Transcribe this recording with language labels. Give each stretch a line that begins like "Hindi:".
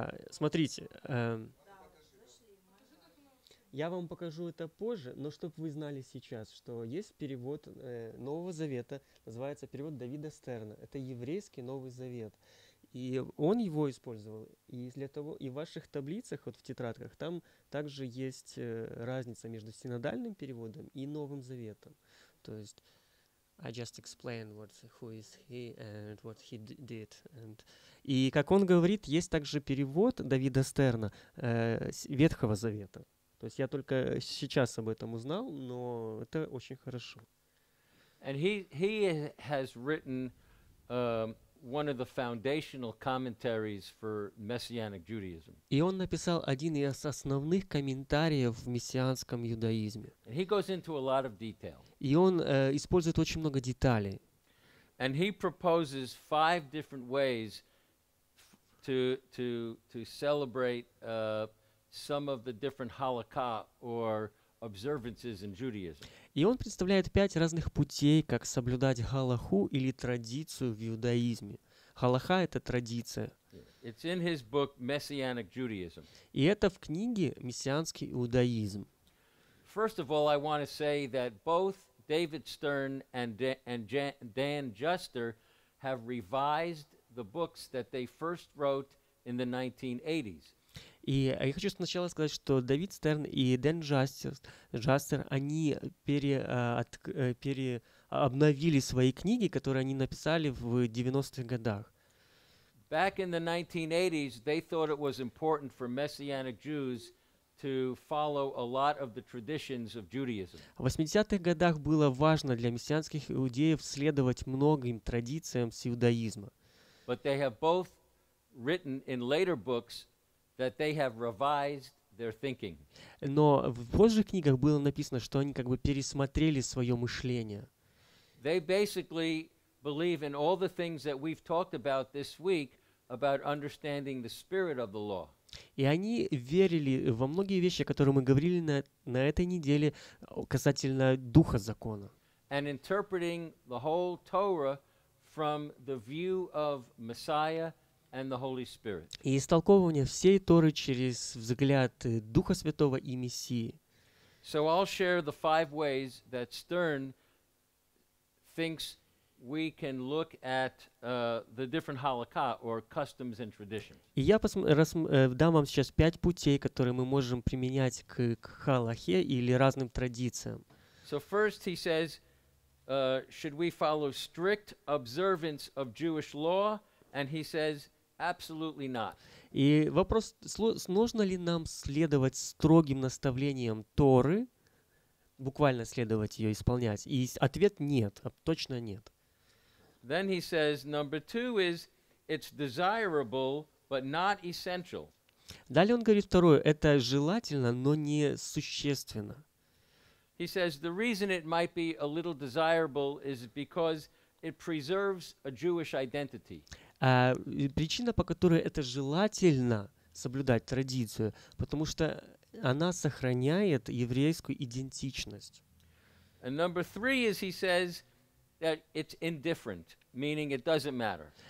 Russian: Смотрите, я вам покажу это позже, но чтобы вы знали сейчас, что есть перевод Нового Завета, называется перевод Давида Стерна. Это еврейский Новый Завет. И он его использовал. И для того, и в ваших таблицах, вот в тетрадках, там также есть разница между синодальным переводом и Новым Заветом. То есть,
English: I just explained what, who is he and what he did. And...
Russian: И как он говорит, есть также перевод Давида Стерна Ветхого Завета. То есть я только сейчас об этом узнал, но это очень хорошо.
English: And he has written one of the foundational commentaries for messianic Judaism.
Russian: И он написал один из основных комментариев в мессианском иудаизме.
English: And he goes into a lot of detail.
Russian: И он использует очень много деталей.
English: And he proposes five different ways to celebrate some of the different halakha or observances in Judaism.
Russian: И он представляет пять разных путей, как соблюдать галаху или традицию в иудаизме. Галаха — это традиция.
English: It's in his book Messianic Judaism.
Russian: И это в книге «Мессианский иудаизм».
English: First of all, I want to say that both David Stern and Dan Juster have revised the books that they first wrote in the 1980s.
Russian: И я хочу сначала сказать, что Дэвид Стерн и Дэн Джастер, они переобновили свои книги, которые они написали в 90-х годах.
English: Back in the 1980s, they thought it was important for messianic Jews to follow a lot of the traditions of Judaism.
Russian: В 80-х годах было важно для мессианских иудеев следовать многим традициям с иудаизма.
English: But they have both written in later books that they have revised their thinking.
Russian: Но в позже книгах было написано, что они как бы пересмотрели свое мышление.
English: They basically believe in all the things that we've talked about this week about understanding the spirit of the law.
Russian: И они верили во многие вещи, о которых мы говорили на этой неделе касательно духа закона.
English: And interpreting the whole Torah from the view of Messiah and the Holy Spirit.
Russian: И истолковывание всей Торы через взгляд Духа Святого и Мессии.
English: So I'll share the five ways that Stern thinks we can look at the different halakha or customs and traditions.
Russian: И я дам вам сейчас пять путей, которые мы можем применять к халахе или разным традициям.
English: So first he says, should we follow strict observance of Jewish law? And he says, absolutely not.
Russian: И вопрос, нужно ли нам следовать строгим наставлениям Торы, буквально следовать ее, исполнять? И ответ нет, точно нет.
English: Then he says, number two is, it's desirable, but not essential.
Russian: Далее он говорит второе, это желательно, но не существенно.
English: He says, the reason it might be a little desirable is because it preserves a Jewish identity.
Russian: Причина, по которой это желательно соблюдать традицию, потому что она сохраняет еврейскую идентичность.
English: And number three is, he says, that it's indifferent, meaning it doesn't matter.